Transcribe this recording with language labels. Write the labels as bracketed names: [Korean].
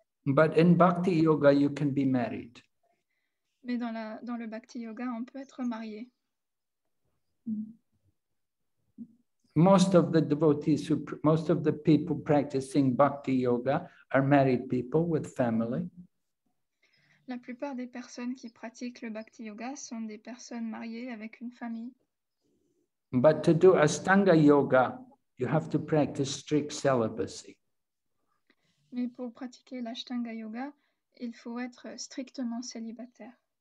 [English] But in Bhakti yoga, you can be married. [French] Mais dans le Bhakti yoga, on peut être marié. [English] Most of the devotees, most of the people practicing Bhakti yoga are married people with family. [French] La plupart des personnes qui pratiquent le Bhakti yoga sont des personnes mariées avec une famille. [English] But to do Ashtanga yoga, you have to practice strict celibacy. [French] Mais pour pratiquer l'Ashtanga yoga, il faut être strictement célibataire.